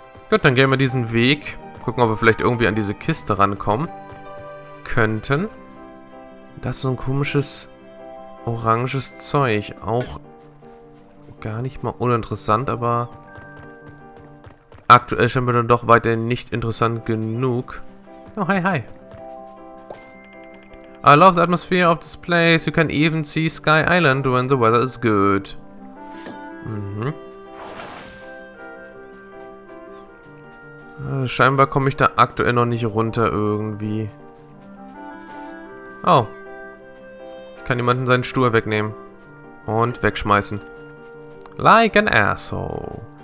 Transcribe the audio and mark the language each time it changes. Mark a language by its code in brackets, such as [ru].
[de] Gut, dann gehen wir diesen Weg. Gucken, ob wir vielleicht irgendwie an diese Kiste rankommen könnten. Das ist so ein komisches oranges Zeug. Auch gar nicht mal uninteressant, aber aktuell scheint mir dann doch weiterhin nicht interessant genug. [en] Oh, hi, hi. I love the atmosphere of this place. You can even see Sky Island when the weather is good. Mhm. [de] Also scheinbar komme ich da aktuell noch nicht runter irgendwie. Oh. Ich kann jemanden seinen Stuhl wegnehmen. Und wegschmeißen. [en] Like an asshole.